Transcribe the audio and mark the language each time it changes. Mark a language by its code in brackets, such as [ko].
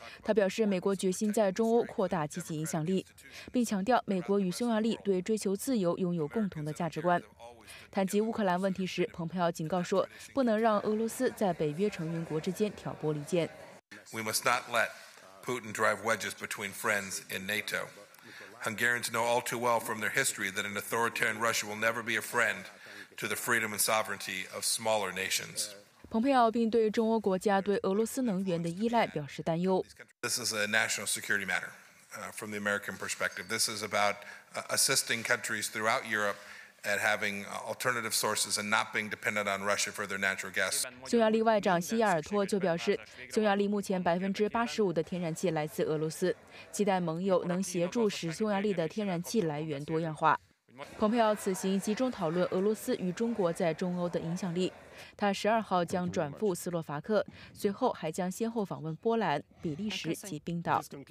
[zh] 他表示，美国决心在中欧扩大积极影响力，并强调美国与匈牙利对追求自由拥有共同的价值观。谈及乌克兰问题时，蓬佩奥警告说，不能让俄罗斯在北约成员国之间挑拨离间。 [en] We must not let Putin drive wedges between friends in NATO. Hungarians know all too well from their history that an authoritarian Russia will never be a friend. To the freedom and sovereignty of smaller nations. [zh] 蓬佩奥并对中欧国家对俄罗斯能源的依赖表示担忧。 [en] This is a national security matter, from the American perspective. This is about assisting countries throughout Europe at having alternative sources and not being dependent on Russia for their natural gas. [zh] 匈牙利外长西耶尔托就表示，匈牙利目前85%的天然气来自俄罗斯，期待盟友能协助使匈牙利的天然气来源多样化。蓬佩奥此行集中讨论俄罗斯与中国在中欧的影响力。他12号将转赴斯洛伐克，随后还将先后访问波兰、比利时及冰岛。